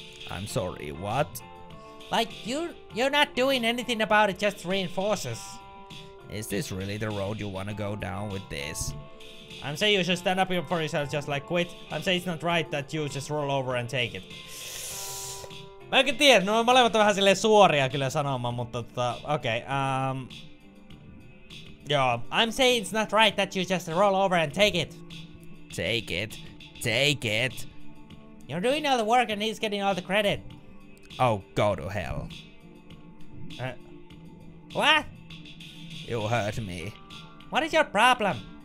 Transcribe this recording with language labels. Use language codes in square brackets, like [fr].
[en] I'm sorry, what? Like, you're not doing anything about it, just reinforces. Is this really the road you wanna go down with this? I'm saying you should stand up for yourself, just like quit. I'm saying it's not right that you just roll over and take it. [fi] Mä enkin tiedä, no molemmat on vähän silleen suoria kyllä sanomaan, mutta okei, joo. [en] I'm saying it's not right that you just roll over and take it. Take it. Take it. You're doing all the work and he's getting all the credit. Oh, go to hell. What? You hurt me. What is your problem?